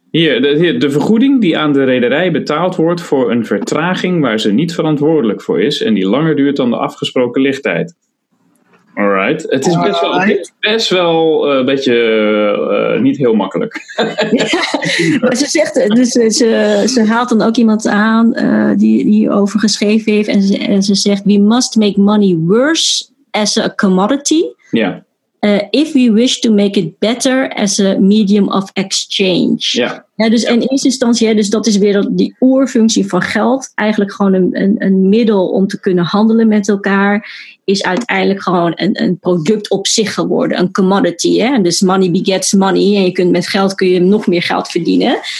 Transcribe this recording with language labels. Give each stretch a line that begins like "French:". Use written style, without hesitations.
Dutch: Hier, de vergoeding die aan de rederij betaald wordt voor een vertraging waar ze niet verantwoordelijk voor is en die langer duurt dan de afgesproken lichttijd. Alright. Het is best wel een beetje niet heel makkelijk. Ja, maar ze zegt, dus ze haalt dan ook iemand aan die over geschreven heeft. En ze zegt,
English: we must make money worse as a commodity.
Dutch: Ja.
English: If we wish to make it better as a medium of exchange. Yeah.
Dutch: Ja, dus in eerste instantie, ja, dus dat is weer die oerfunctie van geld. Eigenlijk gewoon een middel om te kunnen handelen met elkaar. Is uiteindelijk gewoon een product op zich geworden. Een commodity. Hè? Dus
English: money begets money.
Dutch: En je kunt met geld kun je nog meer geld verdienen.